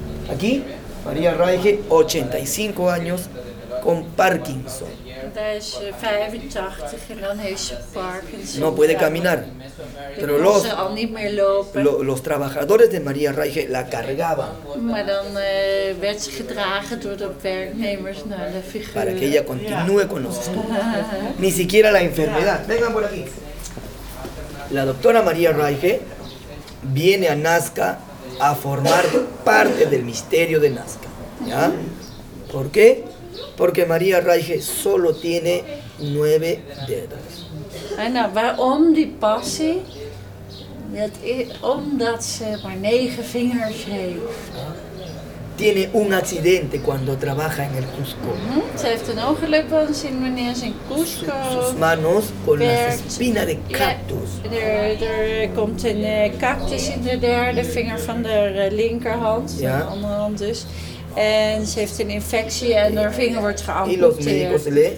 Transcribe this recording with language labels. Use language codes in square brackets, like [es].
[es] Aquí, María Reige, 85 años, con Parkinson. [nl] Is 85 en dan heeft ze Parkinson. [es] No puede caminar. Pero los, [nl] ze al niet meer lopen. [es] Los trabajadores de María Reige la cargaban. [nl] Maar dan werd ze gedragen door de werknemers naar de figuur. [es] Para que ella continúe con los estudios. Ni siquiera la enfermedad. Vengan por aquí. La doctora María Reige viene a Nazca a formar parte del misterio de Nazca. ¿Ya? ¿Por qué? Porque María Reige solo tiene 9 dedos. [nl] Ana, waarom die passie? Dat is omdat ze maar 9 vingers heeft. [es] Tiene un accidente cuando trabaja en el Cusco. [nl] Ze heeft een ongeluk wanneer ze in Cusco. [es] Sus manos con las espinas de cactus. [nl] Er komt een cactus in de derde vinger van de linkerhand, de andere hand dus. En ze heeft een infectie en haar vinger wordt geamputeerd.